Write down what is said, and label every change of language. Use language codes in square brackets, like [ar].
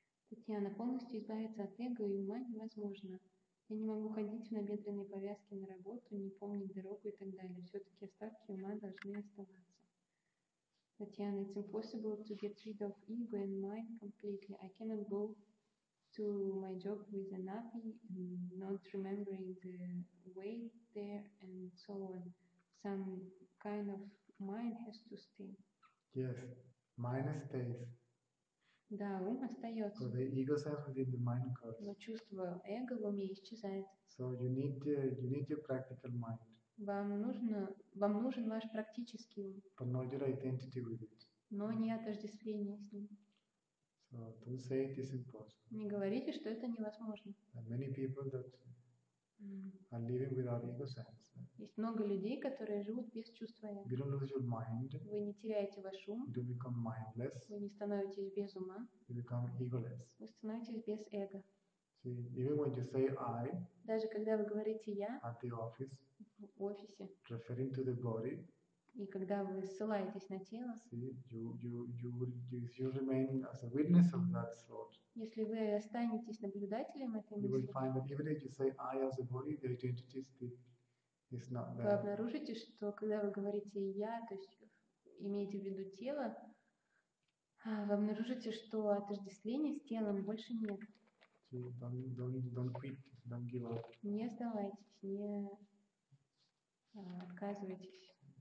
[ru] Татьяна, полностью избавиться от эго и ума невозможно. Я не могу ходить в набедренной повязке на работу, не помнить дорогу и так далее. Все-таки остатки ума должны оставаться. [en] Татьяна, it's impossible to get rid of ego and mind completely. I cannot go to my job with an api, not remembering the way there and so on. Some kind of mind has to stay. Yes, mind stays. [ru] Да, ум остается. [en] So the ego sense within the mind occurs. [ru] Но чувство эго в уме исчезает. [en] So you need your practical mind. [ru] Вам нужен ваш практический ум. [en] But not your identity with it. [ru] Но не отождествление с ним. [en] So don't say it is impossible. [ru] Не говорите, что это невозможно. [en] Many people that are living without ego sense. [ru] Есть много людей, которые живут без чувства эго. [en] You don't lose your mind. [ru] Вы не теряете ваш ум. [en] You don't become mindless. [ru] Вы не становитесь без ума. [en] You become egoless. [ru] Вы становитесь без эго. [en] See, even when you say I, [ru] даже когда вы говорите я, [en] at the office, [ru] в офисе, [en] referring to the body, [ru] и когда вы ссылаетесь на тело, [en] see, you remain as a witness of that thought. [ru] Если вы останетесь наблюдателем этой мысли, [en] you will find that even if you say I as a body, the identity is not there. [ru] Вы обнаружите, что когда вы говорите я, то есть имеете в виду тело, вы обнаружите, что отождествления с телом больше нет. [en] Don't quit, don't give up. [ru] Не сдавайтесь, не отказывайтесь.